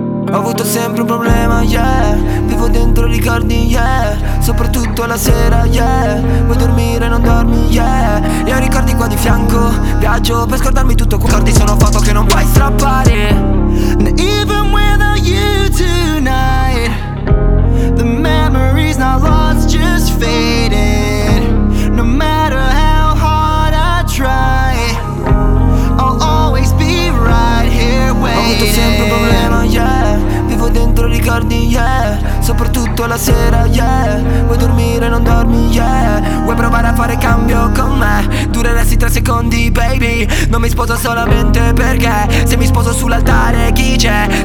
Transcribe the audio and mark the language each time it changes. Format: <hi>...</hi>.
<it>Ho avuto sempre un problema, yeah. Vivo dentro ricordi, yeah. Soprattutto la sera, yeah. Vuoi dormire, non dormi, yeah. E ho ricordi qua di fianco. Viaggio per scordarmi tutto. Ricordi sono foto che non puoi strappare.</it> <en>And even without you tonight, the memories not lost, just faded. No matter how hard I try, I'll always be right here waiting.</en> <it>Ho avuto sempre un problema, yeah. Vivo dentro ricordi, yeah. Soprattutto la sera, yeah. Vuoi dormire, non dormi, yeah. Vuoi provare a fare cambio con me? Dureresti 3 secondi, baby. Non mi sposo solamente perché. Se mi sposo sull'altare, chi c'è?</it>